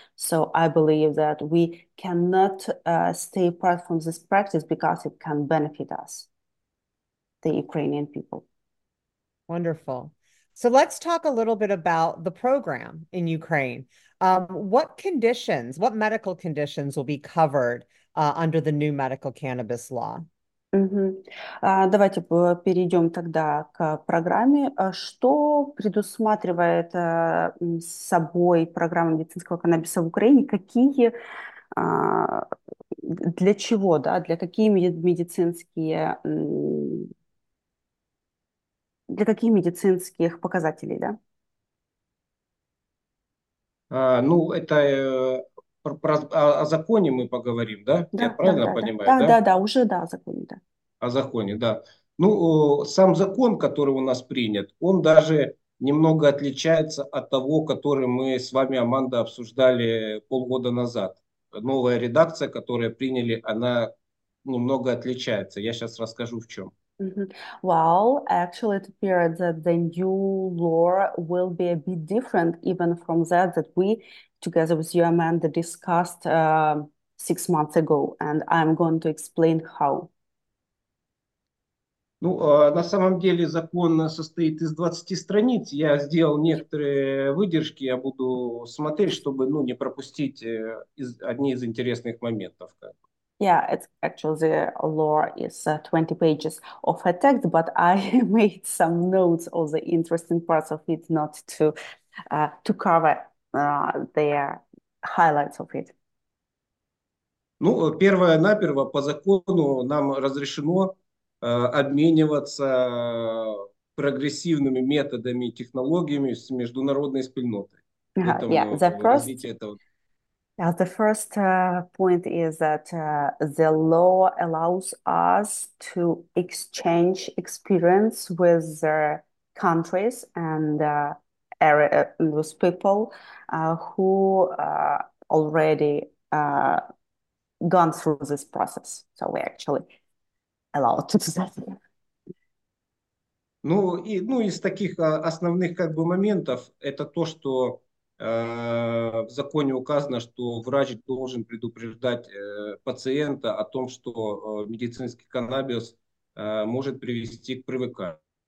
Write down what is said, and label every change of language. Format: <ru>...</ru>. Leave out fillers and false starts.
<en>So I believe that we cannot stay apart from this practice because it can benefit us, the Ukrainian people. Wonderful. So let's talk a little bit about the program in Ukraine. What medical conditions will be covered under the new medical cannabis law?</en> <ru>Давайте перейдем тогда к программе. Что предусматривает собой программа медицинского каннабиса в Украине? Какие для чего, да, для какие медицинские для каких медицинских показателей, да? Ну, это о законе мы поговорим, да? Я правильно понимаю, да? уже да, законе, да. О законе, да. Ну, сам закон, который у нас принят, он даже немного отличается от того, который мы с вами, Аманда, обсуждали полгода назад. Новая редакция, которую приняли, она немного отличается. Я сейчас расскажу, в чем.</ru> <en>Well, actually, it appeared that the new law will be a bit different even from that that we, together with you, Amanda, discussed 6 months ago, and I'm going to explain how.</en> <ru>Ну, на самом деле закон состоит из 20 страниц. Я сделал некоторые выдержки, я буду смотреть, чтобы, ну, не пропустить одни из интересных моментов.</ru> <en>Yeah, it's actually the law is 20 pages of a text, but I made some notes of the interesting parts of it, not to to cover the highlights of it.</en> <ru>Ну, первое, наперво, по закону нам разрешено обмениваться прогрессивными методами и технологиями с международной спільнотой.</ru> <en>Yeah, the</en> <ru>Этому развитие этого.</ru> <en>Now, the first point is that the law allows us to exchange experience with the countries and area those people who already gone through this process. So we actually allowed to do that.</en> <ru>Ну, из таких основных, как бы, моментов, это то, что в законе указано, что врач должен предупреждать пациента о том, что медицинский каннабис может привести к привыканию.</ru>